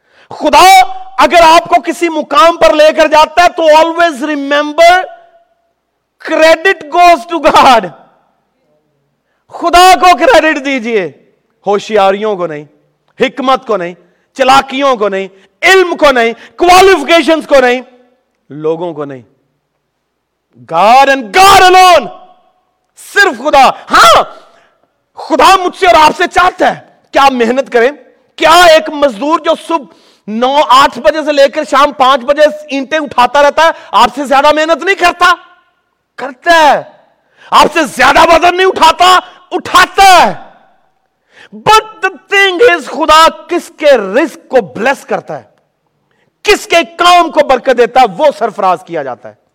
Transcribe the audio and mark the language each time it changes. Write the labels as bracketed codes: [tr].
[ur] خدا اگر آپ کو کسی مقام پر لے کر جاتا ہے تو [en] always remember, credit goes to God. [ur] خدا کو credit دیجئے, ہوشیاریوں کو نہیں, حکمت کو نہیں, چلاکیوں کو نہیں, علم کو نہیں, qualifications کو نہیں, لوگوں کو نہیں. [en] God and God alone, [ur] صرف خدا. ہاں خدا مجھ سے اور آپ سے چاہتا ہے کیا محنت کریں. کیا ایک مزدور جو صبح 9-8 بجے سے لے کر شام 5 بجے اینٹیں اٹھاتا رہتا ہے آپ سے زیادہ محنت نہیں کرتا؟ کرتا ہے. آپ سے زیادہ وزن نہیں اٹھاتا؟ اٹھاتا ہے. [en] but the thing is, [ur] خدا کس کے رزق کو بلیس کرتا ہے, کس کے کام کو برکت دیتا ہے, وہ سرفراز کیا جاتا ہے.